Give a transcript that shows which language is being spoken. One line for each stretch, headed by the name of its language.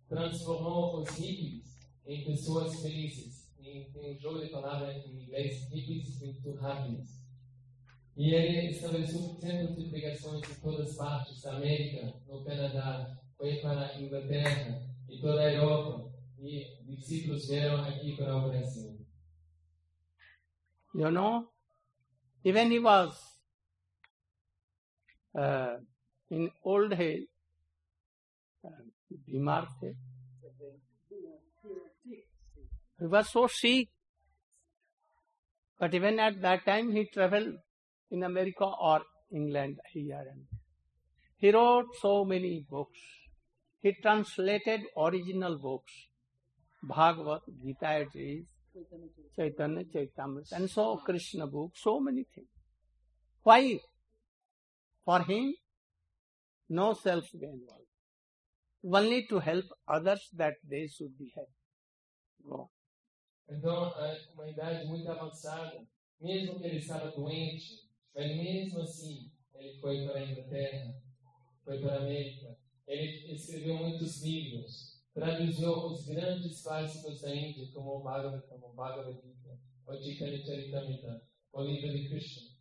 Portuguese: Transformou os hippies em pessoas felizes. Tem um jogo de palavra em inglês,
English: hippies into happiness.
Portuguese: E ele estabeleceu centros de pregações em todas as partes da América, no Canadá, foi para a Inglaterra e toda a Europa. E discípulos vieram aqui para o Brasil.
English: You know, even he was in old age, Bimarte, he was so sick. But even at that time he traveled in America or England, here and there. He wrote so many books. He translated original books, Bhagavad Gita, Chaitanya Chaitamrita, and so Krishna books, so many things. Why? For him, no self gain, only to help others that they should be helped. Go.
Portuguese: Então, uma idade muito avançada, mesmo que ele estava doente, mas mesmo assim, ele foi para a Inglaterra, foi para a América, ele escreveu muitos livros, traduziu os grandes clássicos da Índia, como Bhagavad Gita, o Chaitanya Charitamrita, o livro de Krishna.